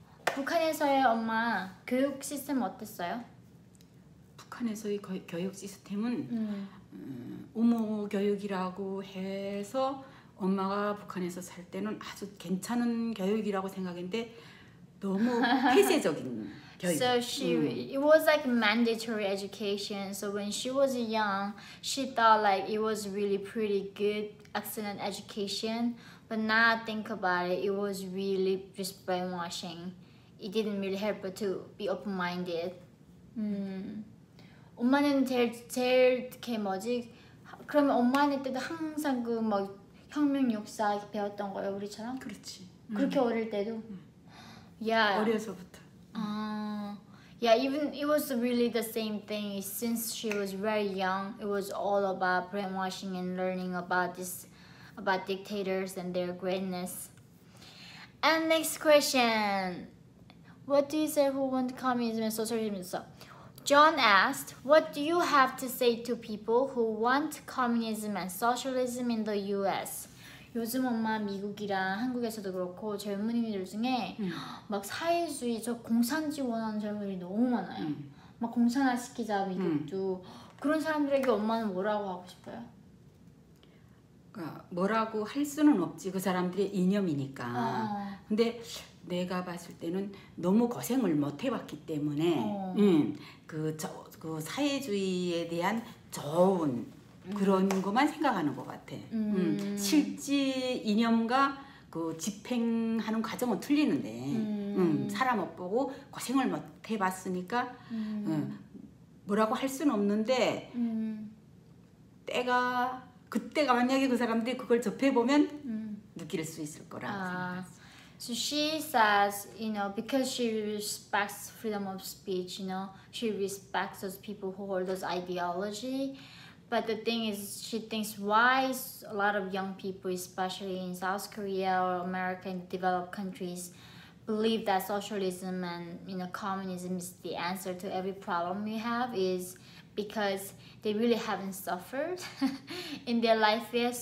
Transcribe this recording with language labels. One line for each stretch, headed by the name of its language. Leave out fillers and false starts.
Korean: 북한에서의 엄마 교육 시스템 어땠어요? 북한에서의 교육 시스템은 우모 교육이라고 해서 엄마가 북한에서 살 때는 아주 괜찮은 교육이라고 생각했는데 너무 폐쇄적인 교육.
English: So she it was like mandatory education. So when she was young, she thought like it was really pretty good, excellent education. But now I think about it, it was really just brainwashing. It didn't really help her to be open-minded.
Korean: 엄마는 제일 게 뭐지? 그러면 엄마네 때도 항상 그 뭐 혁명 역사 배웠던 거예요, 우리처럼? 그렇지. 그렇게 어릴 때도?
English: Yeah.
Korean: 어려서부터.
English: Yeah, even it was really the same thing. Since she was very young, it was all about brainwashing and learning about this, about dictators and their greatness. And next question. What do you say who want communism and socialism? So John asked, what do you have to say to people who want communism and socialism in the US?
Korean: 요즘 엄마 미국이랑 한국에서도 그렇고 젊은이들 중에 막 사회주의 저 공산주의 원하는 젊은이들이 너무 많아요. 막 공산화 시키자 미국도 그런 사람들에게 엄마는 뭐라고 하고 싶어요? 그러니까 뭐라고 할 수는 없지 그 사람들의 이념이니까. 근데 내가 봤을 때는 너무 고생을 못 해봤기 때문에 그 사회주의에 대한 좋은 그런 것만 생각하는 것 같아. 실제 이념과 그 집행하는 과정은 틀리는데 사람 못 보고 고생을 못 해봤으니까 뭐라고 할 수는 없는데 때가 그때가 만약에 그 사람들이 그걸 접해보면 느낄 수 있을 거라고 생각해.
English: So she says, you know, because she respects freedom of speech, you know, she respects those people who hold those ideology. But the thing is, she thinks why a lot of young people, especially in South Korea or America and developed countries, believe that socialism and, you know, communism is the answer to every problem we have is because they really haven't suffered in their life yet.